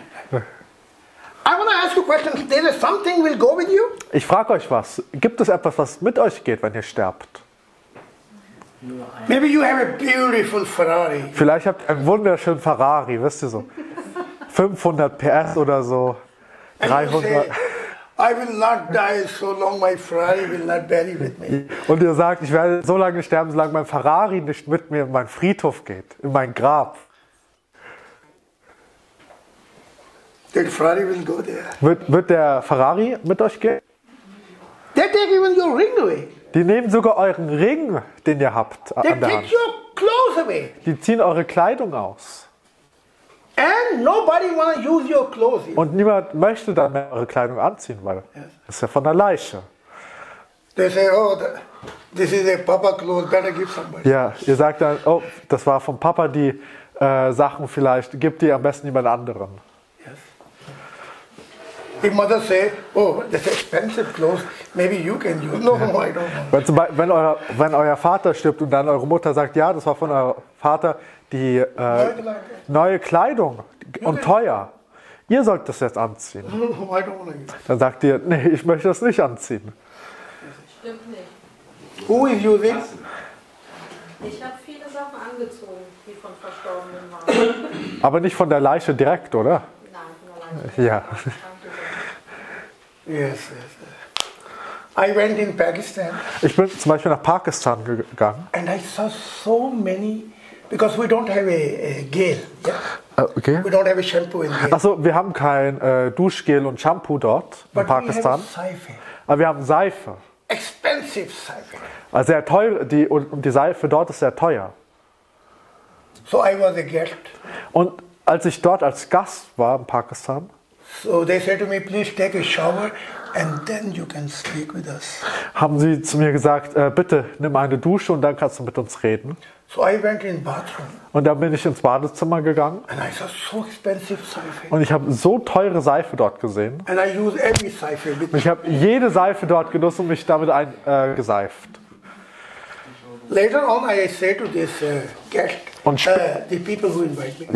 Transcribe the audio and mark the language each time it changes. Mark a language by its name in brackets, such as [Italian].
[English] Grab. I want to ask you a question. There is something will go with you? [German] Ich frage euch was. Gibt es etwas, was mit euch geht, wenn ihr sterbt? [English] Maybe you have a beautiful Ferrari. [German] Vielleicht habt ihr einen wunderschönen Ferrari, wisst ihr so. 500 PS oder so. 300. [English] Say, I will not die so long my Ferrari will not bury with me. [German] Und ihr sagt, ich werde so lange sterben, solange mein Ferrari nicht mit mir in meinen Friedhof geht, in mein Grab. [English] The Ferrari will go there. [German] Wird der Ferrari mit euch gehen? [English] They take even your ring away. [German] Die nehmen sogar euren Ring, den ihr habt, an [English] They [German] der [English] take [German] Hand. [English] Your clothes away. [German] Die ziehen eure Kleidung aus. [English] And nobody wanna use your clothes here. [German] Und niemand möchte dann mehr eure Kleidung anziehen, weil das ist ja von der Leiche. [English] They say, oh, this is a Papa clothes, better give somebody. [German] Ja, ihr sagt dann, oh, das war vom Papa die Sachen vielleicht, gibt die am besten jemand anderen. Die Mutter sagt, oh, das ist [English] expensive clothes, maybe you can use. No, I don't know. [German] Wenn euer Vater stirbt und dann eure Mutter sagt, ja, das war von eurem Vater, die neue Kleidung und teuer, ihr sollt das jetzt anziehen. [English] No, I don't want to use. [German] Dann sagt ihr, nee, ich möchte das nicht anziehen. Stimmt nicht. [English] Who is using? [German] Ich habe viele Sachen angezogen, die von Verstorbenen waren. Aber nicht von der Leiche direkt, oder? Nein, von der Leiche. Ja. [English] Yes, yes, yes. I went in Pakistan. [German] Ich bin zum Beispiel nach Pakistan gegangen. [English] And I saw so many, because we don't have a gel. Yeah? Okay. We don't have a shampoo in there. [German] Also wir haben kein Duschgel und Shampoo dort [English] But [German] in Pakistan. [English] We have Seife. [German] Aber wir haben Seife. [English] Expensive Seife. [German] Also sehr teuer, die Seife dort ist sehr teuer. [English] So I was a guest. [German] Und als ich dort als Gast war in Pakistan. [English] So they said to me, please take a shower and then you can speak with us. [German] Haben sie zu mir gesagt, bitte nimm eine Dusche und dann kannst du mit uns reden. [English] So I went in the bathroom. [German] Und dann bin ich ins Badezimmer gegangen. [English] And I saw so expensive Seife. [German] Und ich habe so teure Seife dort gesehen. [English] And I use every Seife. [German] Und ich habe jede Seife dort genutzt und mich damit eingeseift. [English] Later on I say to this guest, the people who invite me.